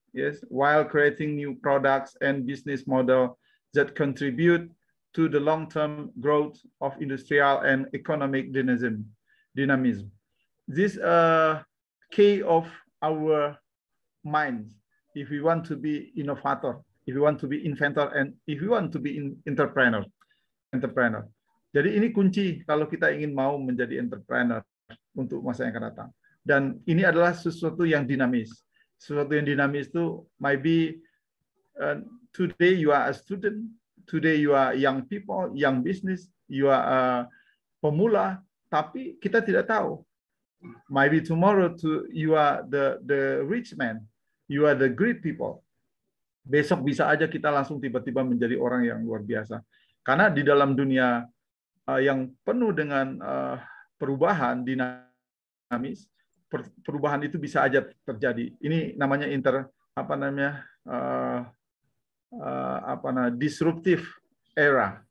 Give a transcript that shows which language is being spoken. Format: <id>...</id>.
<en>Yes, while creating new products and business model that contribute to the long-term growth of industrial and economic dynamism. This key of our minds, if we want to be innovator, if we want to be inventor, and if we want to be entrepreneur.</en> <id>Jadi ini kunci kalau kita ingin mau menjadi entrepreneur untuk masa yang akan datang. Dan ini adalah sesuatu yang dinamis. Sesuatu yang dinamis itu</id> <en>maybe today you are a student, today you are young people, young business, you are pemula,</en> <id>tapi kita tidak tahu.</id> <en>Maybe tomorrow you are the rich man, you are the great people.</en> <id>Besok bisa aja kita langsung tiba-tiba menjadi orang yang luar biasa. Karena di dalam dunia yang penuh dengan perubahan dinamis, perubahan itu bisa aja terjadi. Ini namanya disruptive era.</id>